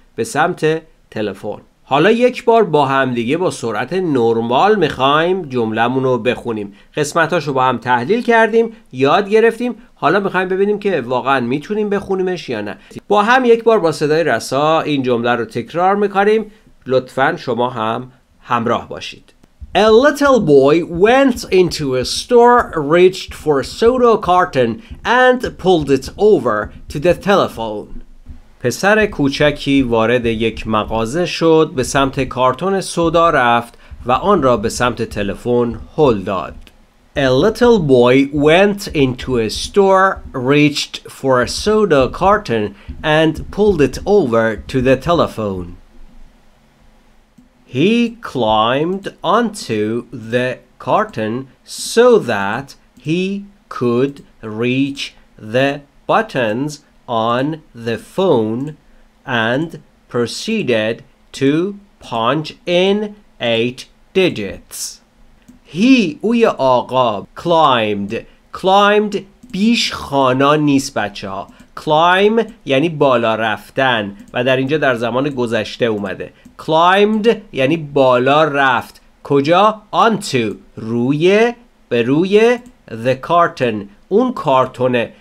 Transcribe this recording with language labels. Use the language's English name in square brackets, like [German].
[Persian] به سمت تلفن. حالا یک بار با هم دیگه با سرعت نرمال میخوایم جملمونو بخونیم. قسمتاشو با هم تحلیل کردیم، یاد گرفتیم. حالا میخوایم ببینیم که واقعا میتونیم بخونیمش یا نه. با هم یک بار با صدای رسا این جمله رو تکرار میکنیم. لطفاً شما هم همراه باشید. [English] A little boy went into a store, reached for a soda carton and pulled it over to the telephone. [Persian] پسر کوچکی وارد یک مغازه شد، به سمت کارتون سودا رفت و آن را به سمت تلفن هل داد. [English] A little boy went into a store, reached for a soda carton and pulled it over to the telephone. He climbed onto the carton so that he could reach the buttons on the phone and proceeded to punch in 8 digits. He, [Persian] اوی آقا, [English] climbed. [Persian] Climbed بیش خانا نیست بچه ها. Climb یعنی بالا رفتن و در اینجا در زمان گذشته اومده. Climbed یعنی بالا رفت. کجا؟ [English] Onto [Persian] روی به روی [English] the carton [Persian] اون کارتونه.